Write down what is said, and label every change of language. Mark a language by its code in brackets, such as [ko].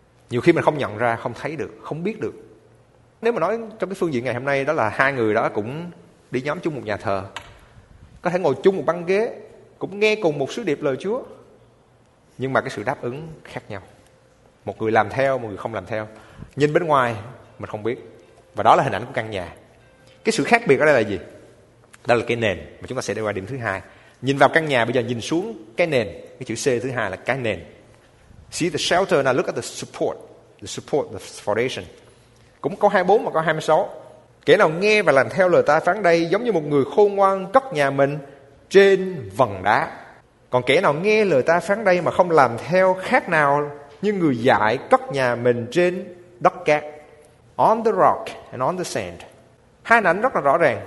[vi] Nhiều khi mình không nhận ra, không thấy được, không biết được. Nếu mà nói trong cái phương diện ngày hôm nay, đó là hai người đó cũng đi nhóm chung một nhà thờ, có thể ngồi chung một băng ghế, cũng nghe cùng một sứ điệp lời Chúa, nhưng mà cái sự đáp ứng khác nhau. Một người làm theo, một người không làm theo. Nhìn bên ngoài, mình không biết. Và đó là hình ảnh của căn nhà. Cái sự khác biệt ở đây là gì? Đó là cái nền mà chúng ta sẽ đi qua điểm thứ hai. Nhìn vào căn nhà, bây giờ nhìn xuống cái nền. Cái chữ C thứ hai là cái nền. [en] See the shelter, now look at the support. The support, the foundation. [vi] Cũng câu 24 và câu 26. Kẻ nào nghe và làm theo lời ta phán đây giống như một người khôn ngoan cất nhà mình trên vần đá. Còn kẻ nào nghe lời ta phán đây mà không làm theo khác nào như người dại cất nhà mình trên đất cát. [en] On the rock and on the sand. [vi] Hai ảnh rất là rõ ràng.